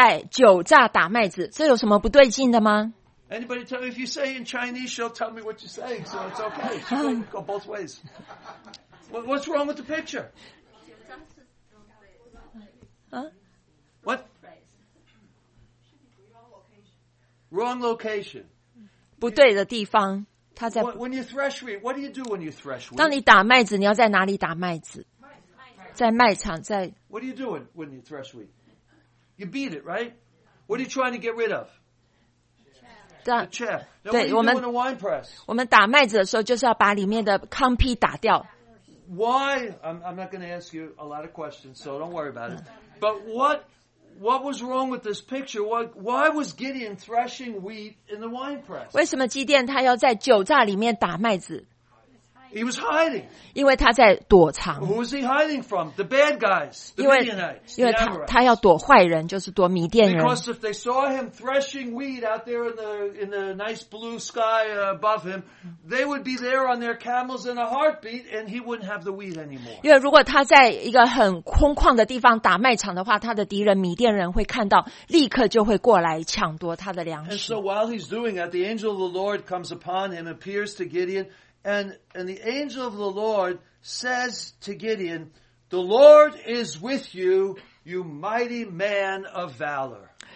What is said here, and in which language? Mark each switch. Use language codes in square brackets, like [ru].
[zh] 在这里我们看见，基甸在酒榨打麦子，这有什么不对劲的吗？ [en] Anybody tell me if you say in Chinese, she'll tell me what you're saying, so it's okay. She'll go both ways. What's wrong with the picture? What? Wrong location. [zh] 不对的地方, 他在, [en] when you thresh wheat, what do you do when you thresh wheat? [zh] 当你打麦子, 你要在哪里打麦子? 在麦场, 在, [en] what are you doing when you thresh wheat? You beat it, right? What are you trying to get rid of? The chaff. Now, [zh] 对, [en] what are you doing in a wine press? [zh] 我们打麦子的时候就是要把里面的糠皮打掉。 [en] Why? I'm not going to ask you a lot of questions, so don't worry about it. But what... What was wrong with this picture? Why was Gideon threshing wheat in the wine press? [zh] 为什么基甸他要在酒榨里面打麦子？ [en] He was hiding. [zh] 因为他在躲藏。 [en] Who was he hiding from? The bad guys, the Midianites. [zh] 因为他要躲坏人，就是躲米甸人。 [en] Because if they saw him threshing wheat out there in the nice blue sky above him, they would be there on their camels in a heartbeat, and he wouldn't have the wheat anymore. [zh] 因为如果他在一个很空旷的地方打麦场的话，他的敌人米甸人会看到，立刻就会过来抢夺他的粮食。 [en] And so while he's doing that, the angel of the Lord comes upon him, appears to Gideon. And the angel of the Lord says to Gideon, "The Lord is with you, you mighty man of valor."